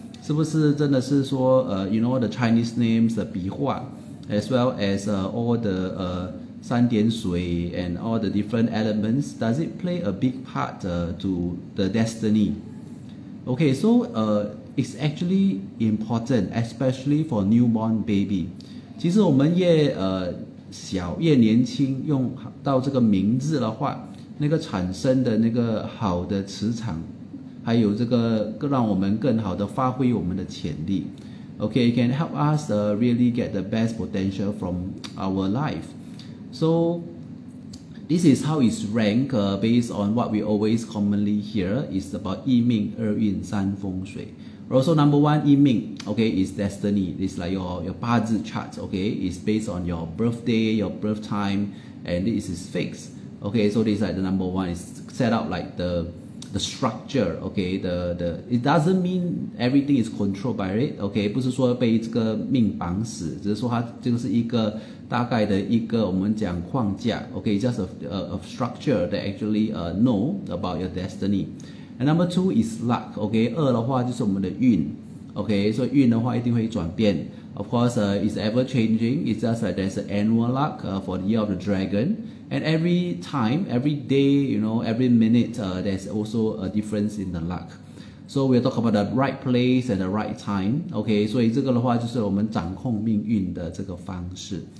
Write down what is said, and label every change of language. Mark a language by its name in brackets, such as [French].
[Chinese] 是不是真的是说 [English] you know, the Chinese names, the 笔画 as well as all the [Chinese] 三点水 [English] and all the different elements, does it play a big part to the destiny? Okay, so It's actually important, especially for newborn baby. [Chinese] 其实我们越小越年轻用到这个名字的话，那个产生的那个好的磁场，还有这个更让我们更好的发挥我们的潜力。 [English] Okay, it can help us really get the best potential from our life. So this is how it's ranked based on what we always commonly hear is about [Chinese] 一命二运三风水。 [English] Also number one, 一命 okay, is destiny. It's like your Bazi chart, okay? It's based on your birthday, your birth time, and this is fixed. Okay, so this is like the number one. It's set up like the structure, okay? It doesn't mean everything is controlled by it, okay? [Chinese] 不是说被这个命绑死，只是说它这个是一个大概的一个我们讲框架 [English] okay? Just a structure that actually know about your destiny. And number two is luck, okay? [Chinese] 二的话就是我们的运 [English] okay? So [Chinese] 运的话一定会转变 [English] Of course, it's ever changing. It's just like there's an annual luck for the year of the dragon. And every time, every day, you know, every minute, there's also a difference in the luck. So we'll talk about the right place and the right time, okay? [Chinese] 所以这个的话就是我们掌控命运的这个方式。